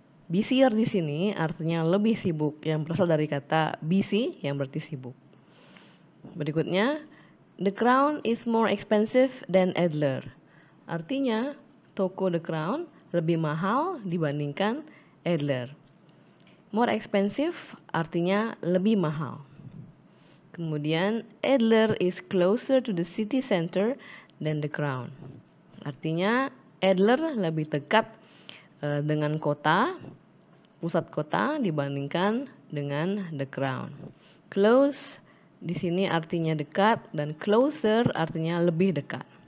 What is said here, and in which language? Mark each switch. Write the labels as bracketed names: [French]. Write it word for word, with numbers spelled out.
[Indonesian] Busier di sini artinya lebih sibuk yang berasal dari kata busy yang berarti sibuk. Berikutnya, [English] The Crown is more expensive than Adler. [Indonesian] Artinya, toko The Crown lebih mahal dibandingkan Adler. [English] More expensive [Indonesian] artinya lebih mahal. Kemudian, [English] Adler is closer to the city center than The Crown. [Indonesian] Artinya, Adler lebih dekat eh, dengan kota, pusat kota dibandingkan dengan The Crown. Close di sini artinya dekat dan closer artinya lebih dekat.